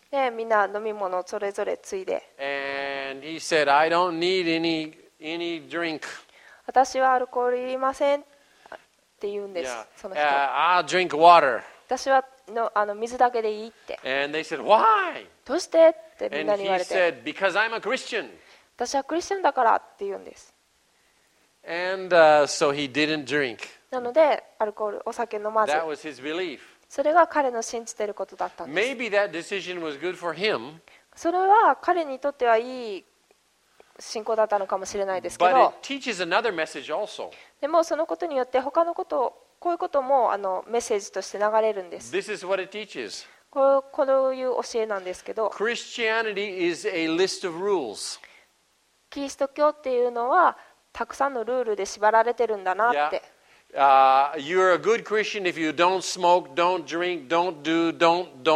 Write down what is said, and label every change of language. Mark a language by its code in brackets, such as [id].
[ja] で、みんな飲み物をそれぞれついで。 [en] And he said, I don't need any drink. [ja] 私はアルコールいりませんって言うんです、 [en] yeah. [ja] その人。 [en] I'll drink water. [ja] 私はのあの水だけでいいって。 [en] And they said, why? [ja] どうしてってみんなに言われて。 [en] And he said, because I'm a Christian. [ja] 私はクリスチャンだからって言うんです。 [en] And so he didn't drink. [ja] なのでアルコールお酒飲まず。 [en] That was his belief. [ja] それが彼の信じてることだったんです。 [en] Maybe that decision was good for him. [ja] それは彼にとってはいい信仰だったのかもしれないですけど。 [en] But it teaches another message also. [ja] でもそのことによって他のことをこういうこともメッセージとして流れるんです。 [en] This is what it teaches. [ja] こういう教えなんですけど、 [en] Christianity is a list of rules. [ja] キリスト教っていうのはたくさんのルールで縛られてるんだなって。 [en] Yeah. You're a good Christian if you don't smoke, don't drink, don't do, don't.